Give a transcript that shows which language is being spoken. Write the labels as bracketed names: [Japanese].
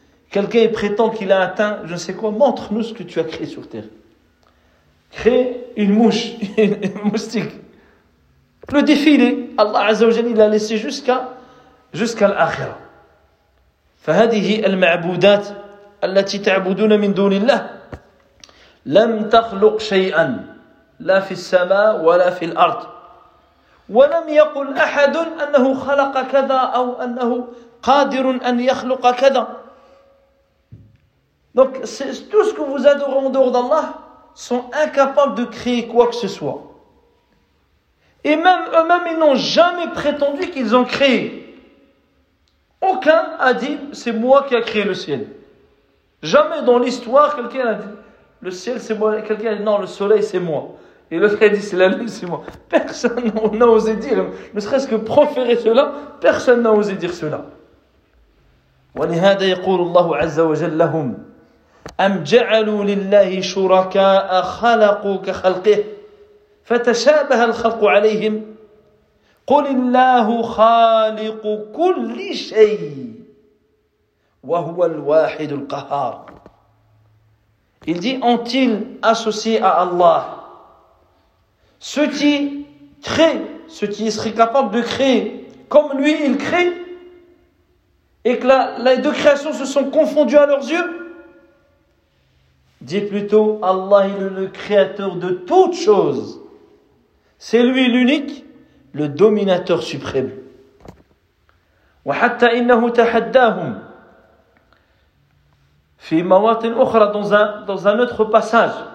[French] Quelqu'un prétend qu'il a atteint, je ne sais quoi, montre-nous ce que tu as créé sur terre. Crée une mouche, une moustique. Le défi, il est, Allah Azza wa Jalla, il l'a laissé jusqu'à l'akhirah. [Arabic] فهذه المعبودات التي تعبدون من دون الله لم تخلق شيئا لا في السماء ولا في الأرض ولم يقل أحد أنه خلق كذا أو أنه قادر أن يخلق كذا. [French] Donc c'est tout ce que vous adorez en dehors d'Allah sont incapables de créer quoi que ce soit. Et même eux-mêmes, ils n'ont jamais prétendu qu'ils ont créé. Aucun a dit, c'est moi qui a créé le ciel. Jamais dans l'histoire, quelqu'un a dit, le ciel c'est moi. Quelqu'un a dit, non, le soleil c'est moi. Et l'autre a dit, c'est la lune c'est moi. Personne n'a osé dire, ne serait-ce que proférer cela, personne n'a osé dire cela. [Arabic] وَلِهَذَا يَقُولُ اللَّهُ عَزَّ وَجَلَّ لَهُمْ أَمْ جَعَلُوا لِلَّهِ شُرَكَاءَ خَلَقُوا كَخَلْقِهِ فتشابه الخلق عليهم قل الله خالق كل شيء وهو الواحد القهار. [French] Il dit, ont-ils associé à Allah ce qui crée, ce qui serait capable de créer comme lui il crée, et que les deux créations se sont confondues à leurs yeux? Dit plutôt, Allah il est le créateur de toutes choses. C'est lui l'unique, le dominateur suprême. [Arabic] وَحَتَّى إِنَّهُ تَحَدَّاهُمْ فِي مَوَاطِنْ أُخْرَى [French] dans un autre passage.